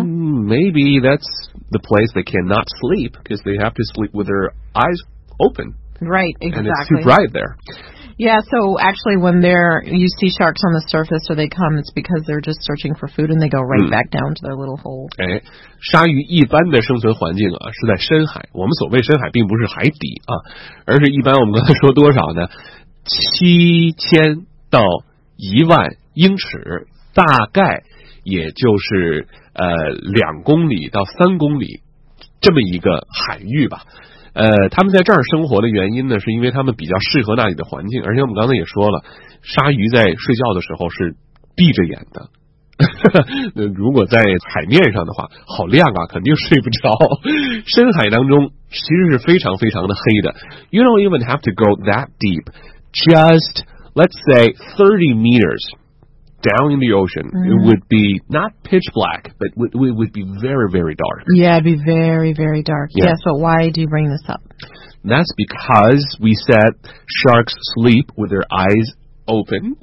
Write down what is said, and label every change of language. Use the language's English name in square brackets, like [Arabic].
[English] Maybe that's the place they cannot sleep, because they have to sleep with their eyes open. Right, exactly. And it's too bright there. Yeah, so actually when you see sharks on the surface or they come, it's because they're just searching for food and they go right back down to their little hole. [Chinese] 哎，鲨鱼一般的生存环境啊，是在深海。我们所谓深海并不是海底啊，而是一般我们刚才说多少呢？ 7000到10000英尺，大概也就是2公里到3公里这么一个海域吧。他们在这儿生活的原因呢，是因为他们比较适合那里的环境，而且我们刚才也说了，鲨鱼在睡觉的时候是闭着眼的。如果在海面上的话，好亮啊，肯定睡不着。深海当中其实是非常非常的黑的。 [English] You don't even have to go that deep. Just, let's say, 30 meters down in the ocean, it would be not pitch black, but it would be very, very dark. Yeah, it'd be very, very dark. Yeah. Yeah, so why do you bring this up? That's because we said sharks sleep with their eyes open.